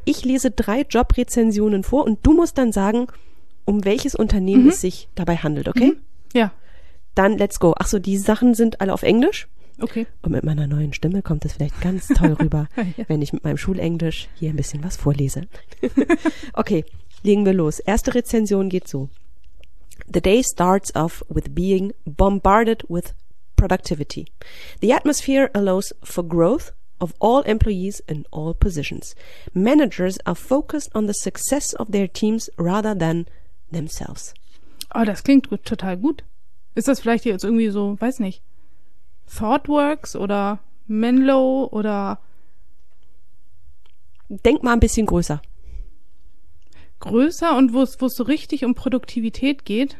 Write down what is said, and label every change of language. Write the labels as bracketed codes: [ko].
[de] Ich lese drei Jobrezensionen vor und du musst dann sagen, um welches Unternehmen es sich dabei handelt, okay? Mhm. Ja. Dann [en] let's go. [de] Ach so, die Sachen sind alle auf Englisch. Okay. Und mit meiner neuen Stimme kommt es vielleicht ganz toll rüber, ja, wenn ich mit meinem Schulenglisch hier ein bisschen was vorlese. Okay, legen wir los. Erste Rezension geht so. [en] The day starts off with being bombarded with productivity. The atmosphere allows for growth of all employees in all positions. Managers are focused on the success of their teams rather than themselves. [de] Oh, das klingt gut, total gut. Ist das vielleicht jetzt irgendwie so, weiß nicht, ThoughtWorks oder Menlo oder... Denk mal ein bisschen größer. Größer und wo es so richtig um Produktivität geht?